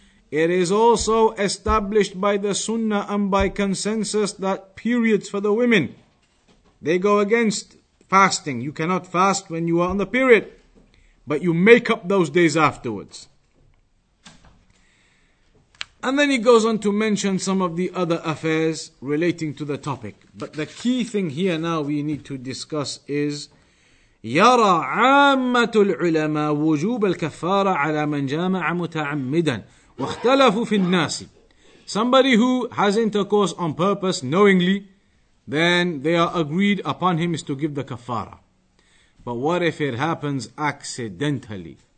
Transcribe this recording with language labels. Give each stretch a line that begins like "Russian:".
English: It is also established by the Sunnah and by consensus that periods for the women, they go against fasting. You cannot fast when you are on the period, but you make up those days afterwards. And then he goes on to mention some of the other affairs relating to the topic. But the key thing here now we need to discuss is
Arabic: يرى عامة العلماء وجوب الكفارة على من جامع متعمدا. وَاخْتَلَفُوا فِي النَّاسِ.
English: Somebody who has intercourse on purpose, knowingly, then they are agreed upon him is to give the kafara. But what if it happens accidentally?